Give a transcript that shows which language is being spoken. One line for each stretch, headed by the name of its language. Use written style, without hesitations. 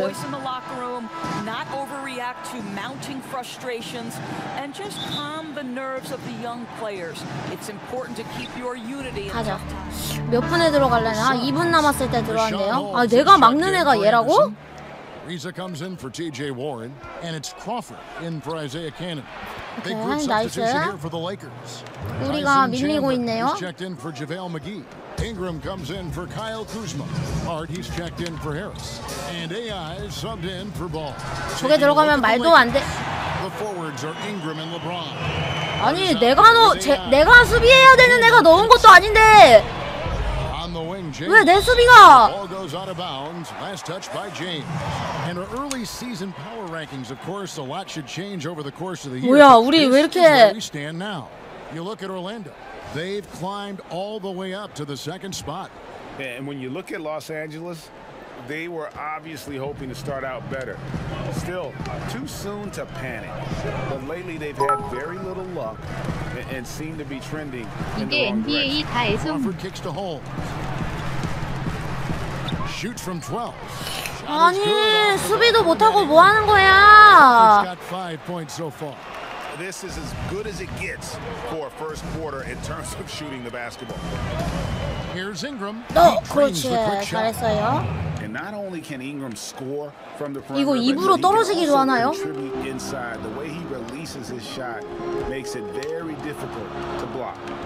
English: Voice in the locker room, not overreact to mounting frustrations, and just calm the nerves of the young players. It's important to keep your unity.
Korean: 가자. 몇 분에 들어갈래나? 2분 남았을 때 들어왔네요. 아, 내가 막는 애가 얘라고?
English: Reza comes in for T.J. Warren, and it's Crawford in for Isaiah Cannon. Big group substitution here for the Lakers.
Korean: 우리가 밀리고 있네요.
English: He's checked in for JaVale McGee. Ingram comes in for Kyle Kuzma. Hart, he's checked in for Harris. And A.I. subbed in for Ball.
Korean: 저게 들어가면 말도 안 돼.
English: The forwards are Ingram and LeBron.
Korean: 아니, 내가 너, 내가 수비해야 되는 애가 넣은 것도 아닌데. 왜 내 수비가?
English: Ball goes out of bounds. Last touch by James. And our early season power rankings, of course, a lot should change over the course of the year.
Korean: 뭐야, 우리 왜 이렇게?
English: We stand now. You look at Orlando. They've climbed all the way up to the second spot. And when you look at Los Angeles, they were obviously hoping to start out better. Still, too soon to panic. But lately, they've had very little luck and seem to be trending in the wrong direction. Crawford kicks to Holmes. Shoots from 12.
Korean: 아니, 수비도 못하고 뭐 하는 거야?
English: He's got 5 points so far. This is as good as it gets for a first quarter in terms of shooting the basketball. Here's Ingram.
Korean: No, 그렇지. 잘했어요.
English: And not only can Ingram score from the
Korean: perimeter, 이거 입으로 떨어지기도 하나요?
English: Inside, the way he releases his shot makes it very difficult to block.